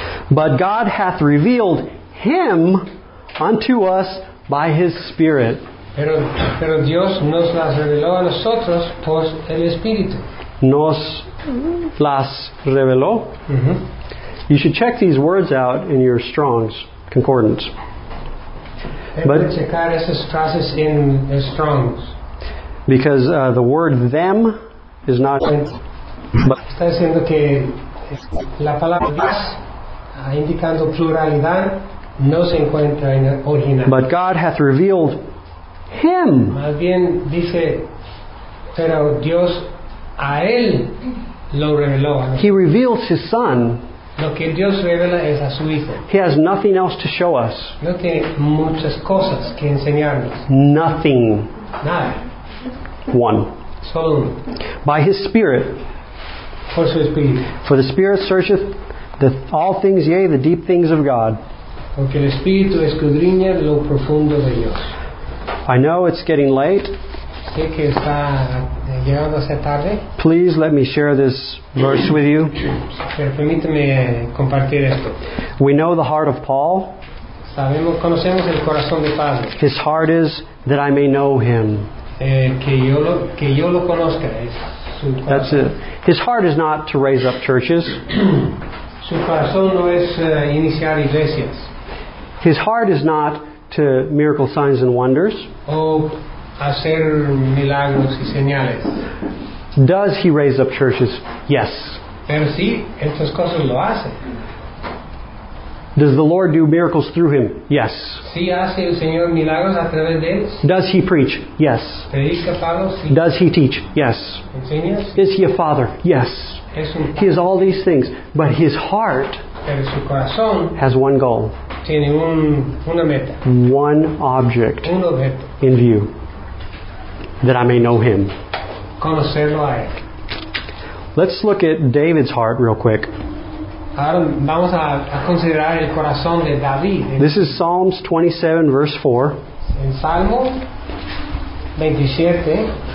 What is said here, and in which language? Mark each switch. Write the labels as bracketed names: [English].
[English] But God hath revealed Him unto us by His Spirit. [Spanish] Pero Dios nos las reveló a nosotros por el Espíritu. Nos las reveló. Mm-hmm. [English] You should check these words out in your Strong's Concordance. [Spanish] But checar esas frases in Strong's. [English] Because the word them is not... [Spanish] Está diciendo que la palabra Dios, indicando pluralidad, no se encuentra en el original. [English] But God hath revealed Him. [Spanish] Más bien dice, pero Dios a Él lo reveló. [English] He reveals His Son. [Spanish] Lo que Dios revela es a su Hijo. [English] He has nothing else to show us. [Spanish] No tiene muchas cosas que enseñarnos. [English] Nothing. [Spanish] Nada. [English] One. [Spanish] Solo uno. [English] By His Spirit. [Spanish] For, su espíritu. [English] For the Spirit searcheth all things, yea, the deep things of God. [Spanish] Porque el espíritu escudriña lo profundo de Dios. [English] I know it's getting late. [Spanish] Sé que está llegándose tarde. [English] Please let me share this verse with you. [Spanish] Pero permíteme compartir esto. [English] We know the heart of Paul. [Spanish] Sabemos, conocemos el corazón de Pablo. [English] His heart is that I may know Him. [Spanish] Que yo lo conozca. [English] That's it. His heart is not to raise up churches. [Spanish] Su corazón no es iniciar iglesias. [English] His heart is not to miracle signs and wonders. [Spanish] O hacer milagros y señales. [English] Does he raise up churches? Yes. [Spanish] Pero sí, estas cosas lo hace. [English] Does the Lord do miracles through him? Yes. [Spanish] Sí, hace el Señor milagros a través de él. [English] Does he preach? Yes. [Spanish] ¿Predica Pablo? Sí. [English] Does he teach? Yes. [Spanish] ¿Enseñas? [English] Is he a father? Yes. [Spanish] Es un padre. [English] He has all these things. But his heart, [Spanish] pero su corazón, [English] has one goal. [Spanish] Tiene una meta. [English] One object, [Spanish] un objeto, [English] in view. That I may know him. [Spanish] Conocerlo a él. [English] Let's look at David's heart real quick. [Spanish] Ahora vamos a considerar el corazón de David. [English] This is Psalms 27, verse 4. [Spanish] En Salmo 27.